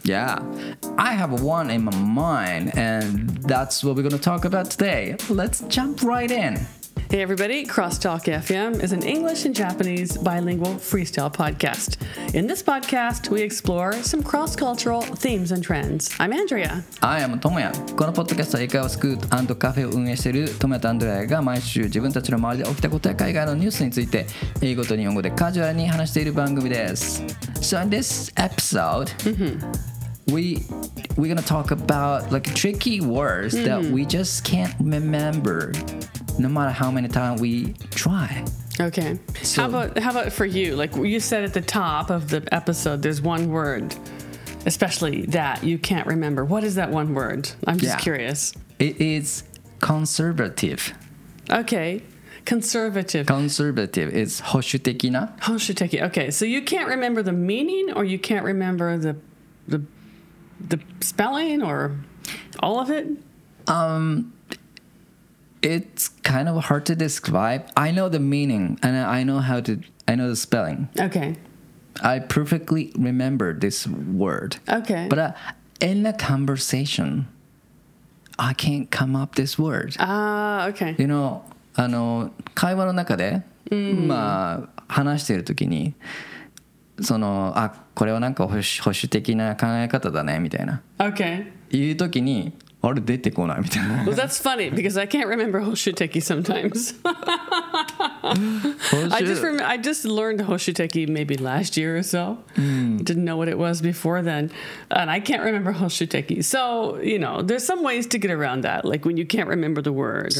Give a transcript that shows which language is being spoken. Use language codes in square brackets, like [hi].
[en] Yeah, I have one in my mind, and that's what we're going to talk about today. Let's jump right in. Hey everybody, Crosstalk FM is an English and Japanese bilingual freestyle podcast. In this podcast, we explore some cross-cultural themes and trends. I'm Andrea. I am Tomoya. [ja] このポッドキャストは英会話スクール&カフェを運営している Tomoya と Andrea が毎週自分たちの周りで起きたことや海外のニュースについて英語と日本語でカジュアルに話している番組です。 [en] So in this episode, we're going to talk about like tricky words that we just can't remember. No matter how many times we try. Okay. So, how about for you? Like you said at the top of the episode, there's one word, especially that you can't remember. What is that one word? I'm just curious. It is conservative. Okay. Conservative. Conservative is 保守的な. 保守的.Okay. So you can't remember the meaning, or you can't remember the spelling, or all of it? It's kind of hard to describe. I know the meaning, and I know the spelling. Okay. I perfectly remember this word. Okay. But in a conversation, I can't come up this word. Okay. [ja] You know, 会話の中で、まあ、話しているときに、その、あ、これはなんか保守的な考え方だね、みたいな。 [en] Okay. [ja] いうときに、あれ出てこないみたいな。 [en] Well, that's funny because I can't remember 保守的 sometimes. I just learned 保守的 maybe last year or so. Didn't know what it was before then, and I can't remember 保守的. So you know, there's some ways to get around that. Like when you can't remember the word, right?